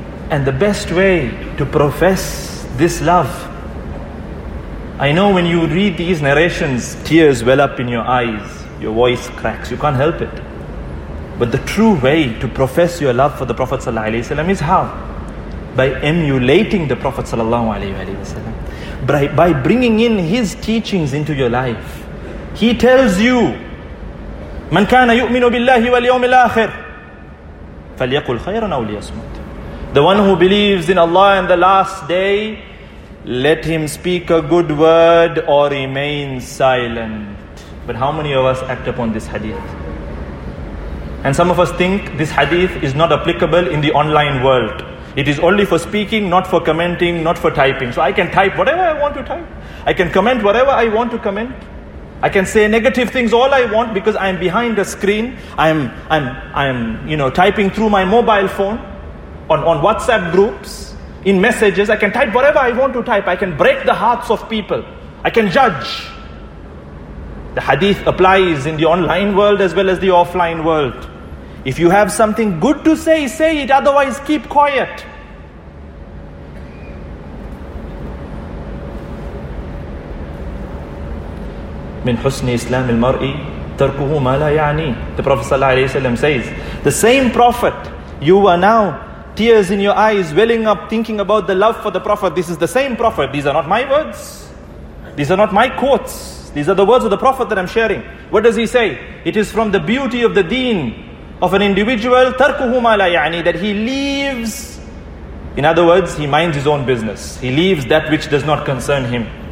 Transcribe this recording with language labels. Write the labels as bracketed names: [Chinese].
[English] And the best way to profess this love, I know when you read these narrations, tears well up in your eyes, your voice cracks, you can't help it. But the true way to profess your love for the Prophet sallallahu alaihi wasallam is how? By emulating the Prophet sallallahu alaihi wasallam. By bringing in his teachings into your life. He tells you, [Arabic] من كان يؤمن بالله واليوم الآخر فليقل خيرا أو ليصمت. [English] The one who believes in Allah and the last day, let him speak a good word or remain silent. But how many of us act upon this hadith? And some of us think this hadith is not applicable in the online world. It is only for speaking, not for commenting, not for typing. So I can type whatever I want to type. I can comment whatever I want to comment. I can say negative things all I want because I am behind the screen. I'm typing through my mobile phone, on WhatsApp groups, in messages. I can type whatever I want to type. I can break the hearts of people. I can judge. The hadith applies in the online world as well as the offline world. If you have something good to say, say it. Otherwise, keep quiet. [Arabic] من حسن إسلام المرء تركه ما لا يعني. [English] The Prophet sallallahu alaihi wasallam says, the same Prophet, you are now tears in your eyes welling up thinking about the love for the Prophet. This is the same Prophet. These are not my words. These are not my quotes. These are the words of the Prophet that I'm sharing. What does he say? It is from the beauty of the deen of an individual, [Arabic] تَرْكُهُ مَا لَا يَعْنِي, [English] that he leaves, in other words, he minds his own business. He leaves that which does not concern him.